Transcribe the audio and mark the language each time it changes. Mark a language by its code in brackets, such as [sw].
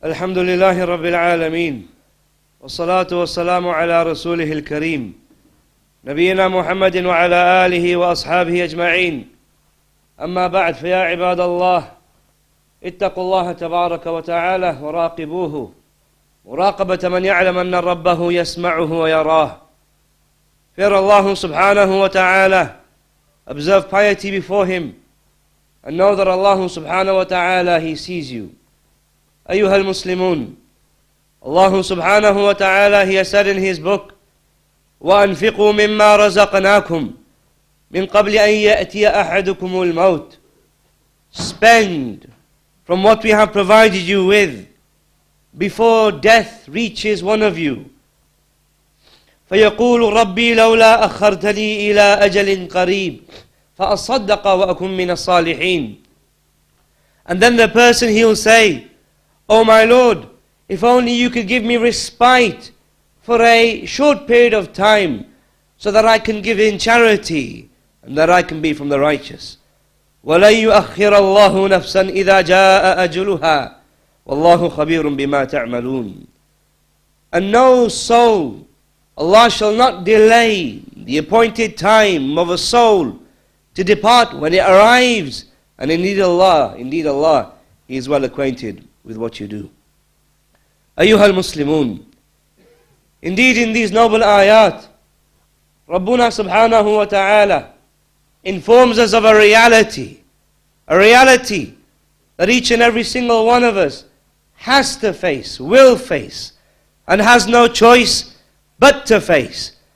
[ar] الحمد لله رب العالمين والصلاة والسلام على رسوله الكريم نبينا محمد وعلى آله وأصحابه أجمعين. أما بعد، فيا عباد الله، اتقوا الله تبارك وتعالى وراقبوه مراقبة من يعلم أن ربه يسمعه ويراه. [en] Fear Allah subhanahu wa ta'ala, observe piety before Him, and know that Allah subhanahu wa ta'ala, He sees you. [ar] Ayyuhal Muslimun, Allah subhanahu wa ta'ala, [en] He has said in His book, [ar] وَأَنْفِقُوا مِمَّا رَزَقْنَاكُمْ مِنْ قَبْلِ أَنْ يَأْتِيَ أَحَدُكُمُ الْمَوْتِ. [en] Spend from what we have provided you with before death reaches one of you. [ar] فيقول ربي لولا أخرتني إلى أجل قريب فأصدق وأكون من الصالحين. [en] And then the person, he will say, oh my Lord, if only you could give me respite for a short period of time so that I can give in charity and that I can be from the righteous. [ar] ولن يؤخر الله نفسا إذا جاء أجلها والله خبير بما تعملون. [en] And no soul, Allah shall not delay the appointed time of a soul to depart when it arrives. And indeed Allah, He is well acquainted with what you do. Ayyuhal Muslimun, indeed in these noble ayat, Rabbuna subhanahu wa ta'ala informs us of a reality that each and every single one of us has to face, will face, and has no choice but to face.